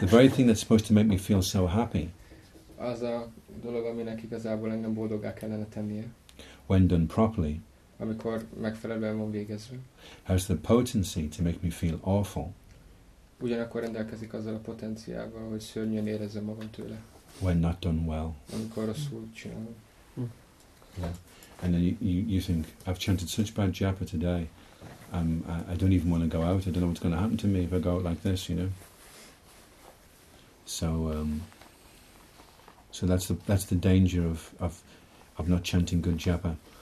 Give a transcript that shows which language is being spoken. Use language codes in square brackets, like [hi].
[en] The very thing that's supposed to make me feel so happy, [hu] az a dolog, aminek igazából engem boldoggá kellene tennie. [en] When done properly, [hu] amikor megfelelően van végezve, [en] has the potency to make me feel awful. [hu] Ugyanakkor rendelkezik azzal a potenciával, hogy szörnyűen érezzem magam tőle. [en] When not done well. [hu] Amikor rosszul csinálom. [en] Yeah. And then you think, I've chanted such bad japa today, I don't even want to go out, I don't know what's going to happen to me if I go out like this, you know. So that's the danger of not chanting good japa.